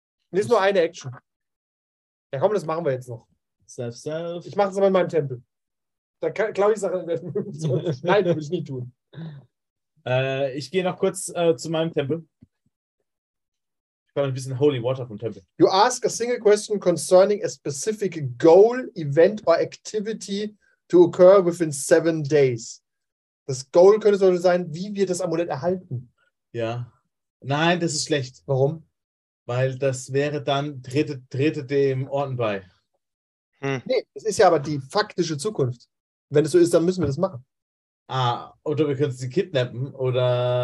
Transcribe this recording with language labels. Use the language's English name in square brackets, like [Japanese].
[German] Das ist nur eine Action. Ja komm, das machen wir jetzt noch. Self. Ich mache es aber in meinem Tempel. Da glaube ich Sachen. Nein, das würde ich nie tun. Ich gehe noch kurz zu meinem Tempel. Ich brauche ein bisschen Holy Water vom Tempel. [English] You ask a single question concerning a specific goal, event or activity to occur within 7 days. [German] Das Goal könnte so sein, wie wir das Amulett erhalten. Ja. Nein, das ist schlecht. Warum? Weil das wäre dann, trete dem Orden bei. Nee, das ist ja aber die faktische Zukunft. Wenn es so ist, dann müssen wir das machen. Ah, oder wir können sie kidnappen, oder...